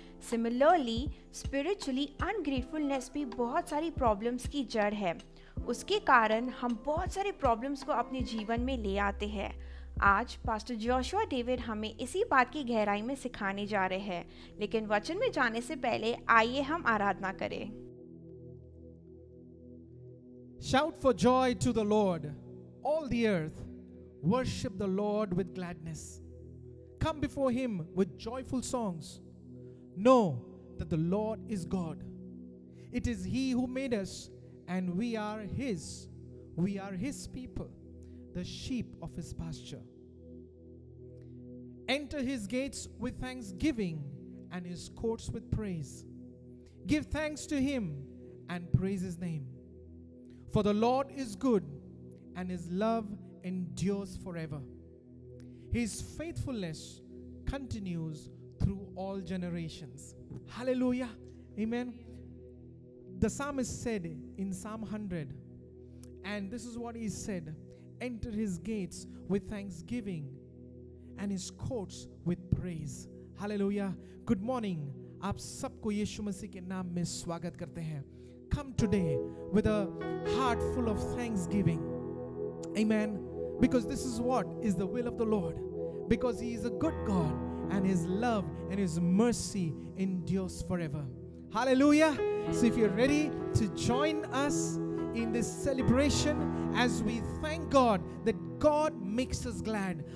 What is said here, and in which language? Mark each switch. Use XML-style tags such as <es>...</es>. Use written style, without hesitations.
<hi>Similarly spiritually अनग्रेटफुलनेस भी बहुत सारी प्रॉब्लम्स की जड़ है। उसके कारण हम बहुत सारे प्रॉब्लम्स को अपने जीवन में ले आते हैं। आज पास्टर जोशुआ डेविड हमें इसी बात की गहराई में सिखाने जा रहे हैं, लेकिन वचन में जाने से पहले आइए हम आराधना करें।</hi> <en>Shout for joy to the Lord, all the earth. Worship the Lord with gladness. Come before Him with joyful songs. Know that the Lord is God. It is He who made us, and we are His. We are His people, the sheep of His pasture. Enter His gates with thanksgiving and His courts with praise. Give thanks to Him and praise His name. For the Lord is good, and His love endures forever. His faithfulness continues through all generations. Hallelujah. Amen. The psalmist said in Psalm 100, and this is what he said, enter His gates with thanksgiving and His courts with praise. Hallelujah. Good morning.</en> <hi>आप सबको यीशु मसीह के नाम में स्वागत करते हैं।</hi> <en>Come today with a heart full of thanksgiving. Amen. Because this is what is the will of the Lord. Because He is a good God, and His love and His mercy endures forever. Hallelujah. So if you're ready to join us in this celebration as we thank God that God makes us glad.</en>